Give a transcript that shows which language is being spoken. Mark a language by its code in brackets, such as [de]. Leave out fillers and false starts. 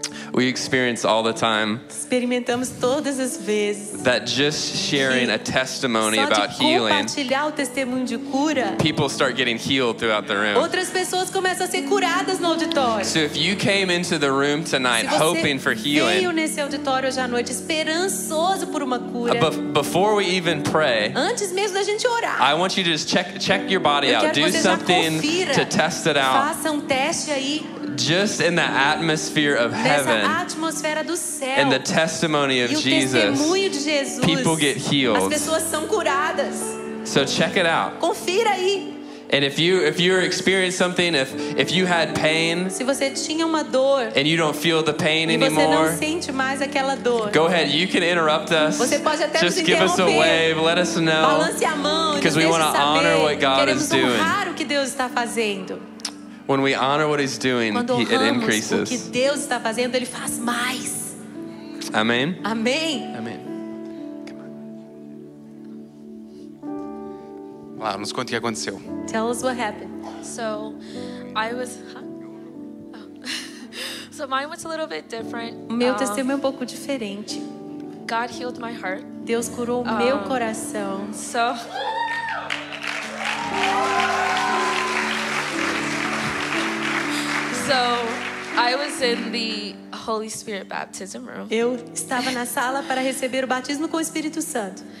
[en] We experience all the time [pt] experimentamos todas as vezes [en] that just sharing a testimony [pt] só [en] about [pt] de [en] healing [pt] compartilhar o testemunho de cura, [en] people start getting healed throughout the room. [pt] Outras pessoas começam a ser curadas no auditório. [en] So if you came into the room tonight [pt] se você [en] hoping for healing [pt] veio nesse auditório hoje à noite esperançoso por uma cura, [en] before we even pray [pt] antes mesmo da gente orar, [en] I want you to just check your body out. Do something to test it out. [pt] Faça teste aí. [en] Just in the atmosphere of heaven and the testimony of Jesus, people get healed. [pt] As pessoas são curadas. [en] So check it out. [pt] Confira aí. [en] And if you experienced something, if you had pain, [pt] se você tinha uma dor, [en] and you don't feel the pain [pt] e você [en] anymore, [pt] não sente mais aquela dor, [en] go ahead, you can interrupt us. [pt] Você pode até [en] just give us a wave, let us know. [pt] Balance a mão, [en] because we want to honor what God [pt] queremos [en] is doing. [pt] Honrar o que Deus está fazendo. [en] When we honor what he's doing, it increases. [pt] O que Deus está fazendo, ele faz mais. Amém. Amém. Amém. [en] Come on. [pt] Lá, nos conta o que aconteceu. [en] Tell us what happened. So, I was. So mine was a little bit different. [pt] Meu testemunho é um pouco diferente. [en] God healed my heart. [pt] Deus curou meu coração. [en] So. So I was in the Holy Spirit baptism room. [pt] Eu estava na sala para receber o batismo com o Espírito Santo.